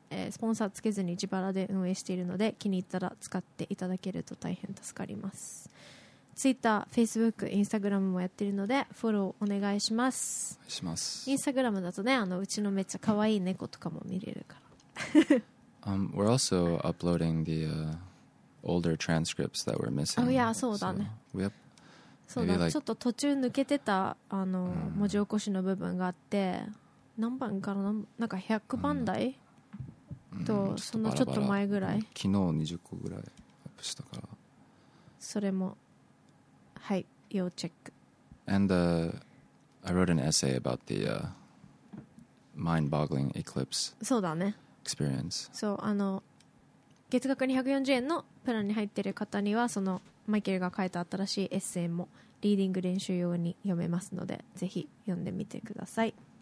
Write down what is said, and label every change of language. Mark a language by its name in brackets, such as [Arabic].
[Japanese] スポンサーつけずに自腹で運営しているので、気に入ったら使っていただけると大変助かります。ツイッター、フェイスブック、インスタグラムもやってるのでフォローお願いします。お願いします。インスタグラムだとね、あのうちのめっちゃ可愛い猫とかも見れるから。 [English] We're also uploading the、older transcripts that we're missing. Oh yeah, [Japanese] そうだね。 [English] So, yep. [Japanese] そうだ、ちょっと途中抜けてたあの、文字起こしの部分があって、何番かな、なんか100番台、とそのちょっと前ぐらい、昨日20個ぐらいアップしたから、それもはい、要チェック。 [English] And、I wrote an essay about the、mind-boggling eclipse. [Japanese] そうだね。 [English] Experience. [Japanese] そう、あの月額240円のプランに入ってる方にはそのマイケルが書いた新しいエッセイもリーディング練習用に読めますので、ぜひ読んでみてください。